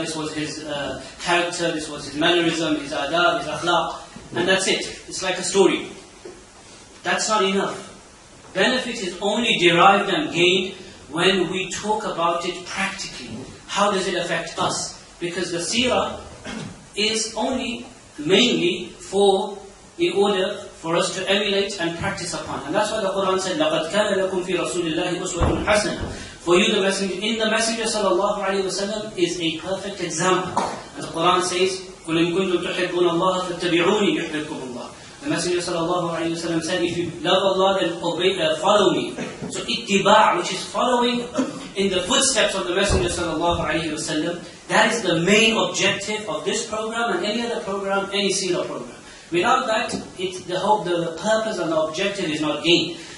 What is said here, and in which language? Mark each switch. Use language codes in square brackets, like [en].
[en] This was his character. This was his mannerism, his adab, his akhlaq. And that's it. It's like a story. That's not enough. Benefit is only derived and gained when we talk about it practically. How does it affect us? Because the seerah is only mainly for, in order for us to emulate and practice upon. And that's why the Quran said, [ar] لَقَدْ كَانَ لَكُمْ فِي رَسُولِ اللَّهِ أُسْوَةٌ حَسَنَةٌ. [en] For you, the Messenger, in the Messenger sallallahu alayhi wa sallam is a perfect example. And the Quran says, [ar] قُلْ إِن كُنْتُمْ تُحِبُّونَ اللَّهَ فَاتَّبِعُونِي يُحْبِبْكُمُ اللَّهُ. [en] The Messenger sallallahu alayhi wa sallam said, if you love Allah, then obey, follow me. So ittiba', which is following in the footsteps of the Messenger sallallahu alayhi wa sallam, that is the main objective of this program and any other program, any seerah program. Without that, the purpose and the objective is not gained.